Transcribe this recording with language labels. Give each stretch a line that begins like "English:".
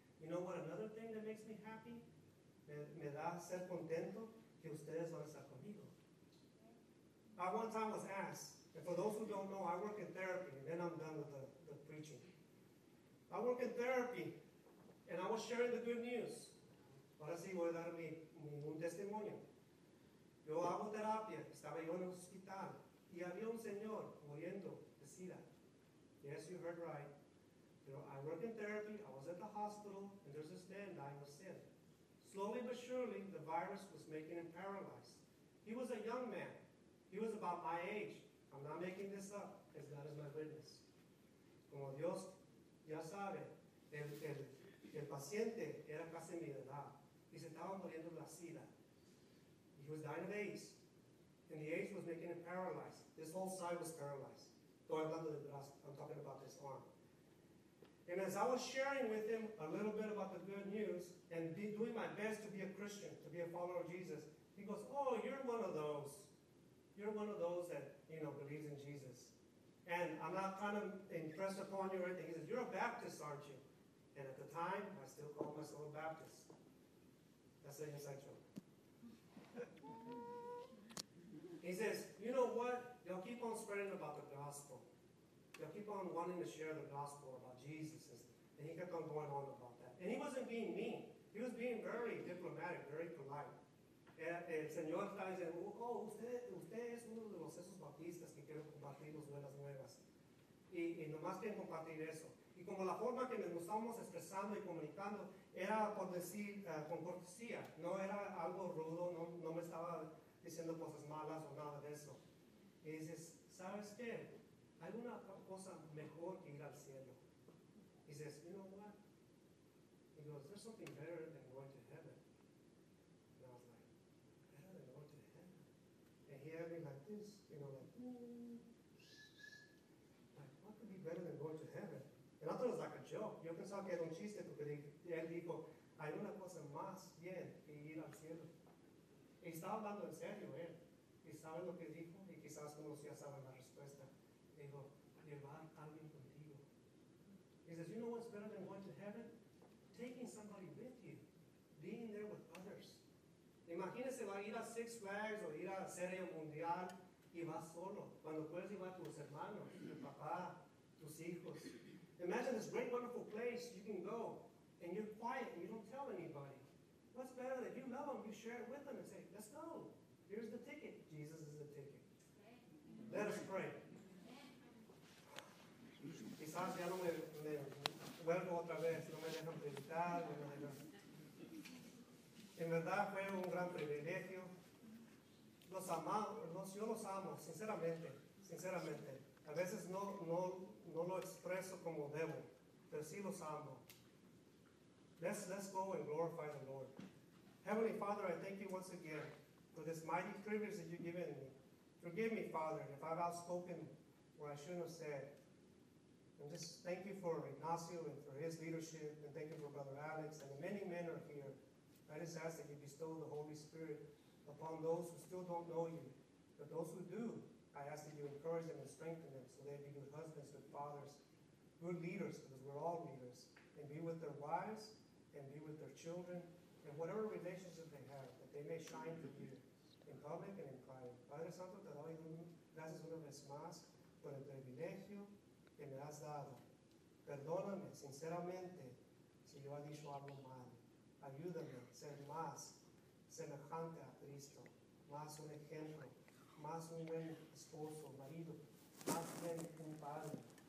English: You know what another thing that makes me happy?
Spanish: Me da ser contento que ustedes van a estar conmigo.
English: I one time was asked, and for those who don't know, I work in therapy, and then I'm done with the preaching. I work in therapy, and I was sharing the good news.
Spanish: Ahora sí voy a dar mi un testimonio. Yo hago terapia, estaba yo en el hospital, y había un señor muriendo de SIDA.
English: Yes, you heard right. You know, I work in therapy, I was at the hospital, and there's this man dying of SIDA. Slowly but surely, the virus was making him paralyzed. He was a young man. He was about my age. I'm not making this up, because God is my witness.
Spanish: Como Dios ya sabe, el paciente era casi mi edad. Y se estaba muriendo de la SIDA.
English: He was dying of AIDS. And the AIDS was making him paralyzed. This whole side was paralyzed.
Spanish: Estoy hablando del brazo.
English: I'm talking about this arm. And as I was sharing with him a little bit about the good news and doing my best to be a Christian, to be a follower of Jesus, he goes, oh, you're one of those. You're one of those that, you know, believes in Jesus. And I'm not kind of impressed upon you or anything. He says, you're a Baptist, aren't you? And at the time, I still called myself a Baptist. That's an inside joke. He says, you know what? Y'all keep on spreading about the gospel. Y'all keep on wanting to share the gospel about Jesus. And he kept on going on about that. And he wasn't being mean. He was being very diplomatic, very polite.
Spanish: El señor está diciendo, oh, usted es uno de los esos bautistas que quiero compartir las buenas nuevas. Y nomás quieren compartir eso. Y como la forma que nos estábamos expresando y comunicando era por decir, con cortesía. No era algo rudo, no me estaba diciendo cosas malas o nada de eso. Y dices, ¿sabes qué? Hay una cosa mejor que ir al cielo.
English: He says, you know what? He goes, there's something better than going to heaven. And I was like, better than going to heaven? And he had me like this, you know, like, like, what could be better than going to heaven? And I thought it was like a joke.
Spanish: Yo pensaba que era un chiste, porque él dijo, hay una cosa más bien que ir al cielo. Y estaba hablando en serio, ¿eh? Y sabe lo que dijo, y quizás como si ya saben la respuesta. Dijo, llevar a alguien contigo.
English: He says, you know what's better than going to heaven? Taking somebody with you. Being there with others.
Spanish: Imagínese, va a ir a Six Flags o ir a Serie Mundial y va solo. Cuando puedes llevar a tus hermanos, tu papá, tus hijos.
English: Imagine this great, wonderful place you can go and you're quiet and you don't tell anybody. What's better than you love them, you share it with them and say, let's go. Here's the ticket. Jesus is the ticket. Let us pray.
Spanish: Quizás ya no me vuelvo otra vez, no me dejan predicar. En verdad fue un gran privilegio. Los amamos, yo los amo, sinceramente. A veces no lo expreso como debo, pero sí los amo.
English: Let's go and glorify the Lord. Heavenly Father, I thank you once again for this mighty privilege that you've given me. Forgive me, Father, if I've outspoken what I shouldn't have said. And just thank you for Ignacio and for his leadership, and thank you for Brother Alex, and the many men are here. I just ask that you bestow the Holy Spirit upon those who still don't know you. But those who do, I ask that you encourage them and strengthen them so they be good husbands, good fathers, good leaders, because we're all leaders, and be with their wives, and be with their children, and whatever relationship they have, that they may shine for you in public and in private.
Spanish: Padre Santo, te doy gracias una vez más por el privilegio que me has dado. Perdóname sinceramente si yo he dicho algo mal. Ayúdame a ser más semejante a Cristo, más un ejemplo, más un buen esposo, marido, más bien un padre.